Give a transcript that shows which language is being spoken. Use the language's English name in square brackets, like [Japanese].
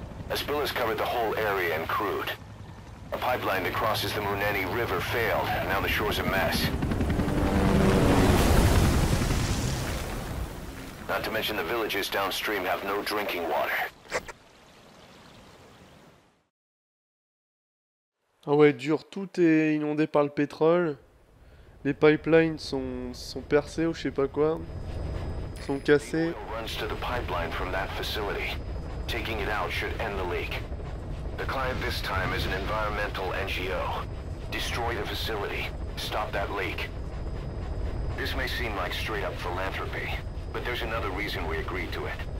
[English] A spill has covered the whole area and crude. A pipeline that crosses the Muneni River failed, and now the shore's a mess. Not to mention the villages downstream have no drinking water. [French] Ah ouais, dur, tout est inondé par le pétrole. Les pipelines sont percés ou je sais pas quoi. Sont cassés. [English] The oil runs to the pipeline from that facility. Taking it out should end the leak. The client this time is an environmental NGO. Destroy the facility. Stop that leak. This may seem like straight up philanthropy. But there's another reason we agreed to it.